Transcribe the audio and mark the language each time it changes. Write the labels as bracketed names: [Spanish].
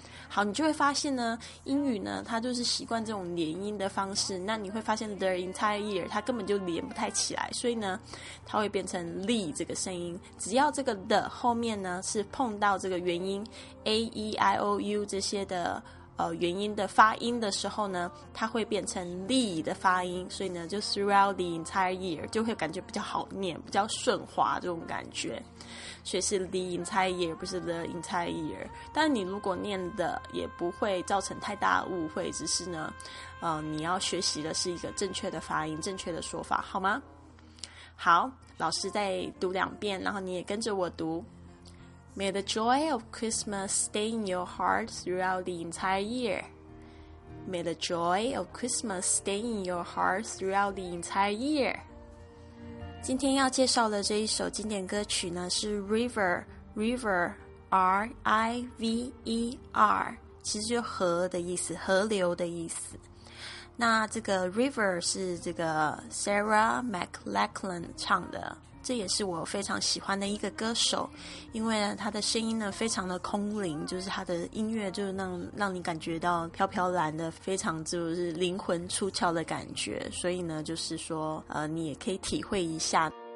[Chinese] 好，你就会发现呢，英语呢它就是习惯这种连音的方式，那你会发现 the entire year 它根本就连不太起来，所以呢它会变成 the 这个声音，只要这个 the 后面呢是碰到这个元音 A-E-I-O-U 这些的元音的发音的时候呢，它会变成 the 的发音，所以呢就 [English] throughout the entire year [Chinese] 就会感觉比较好念，比较顺滑这种感觉，所以是 the entire year 不是 the entire year。但你如果念的也不会造成太大误会，只是呢你要学习的是一个正确的发音，正确的说法，好吗？好，老师再读两遍，然后你也跟着我读。 [English] May the joy of Christmas stay in your heart throughout the entire year. May the joy of Christmas stay in your heart throughout the entire year. [Chinese] 今天要介绍的这一首经典歌曲呢，是 River, R-I-V-E-R， 其实就河的意思，河流的意思。那这个 River 是这个 Sarah McLachlan 唱的，这也是我非常喜欢的一个歌手，因为他的声音呢非常的空灵，就是他的音乐就是 让你感觉到飘飘然的，非常就是灵魂出窍的感觉，所以呢就是说你也可以体会一下。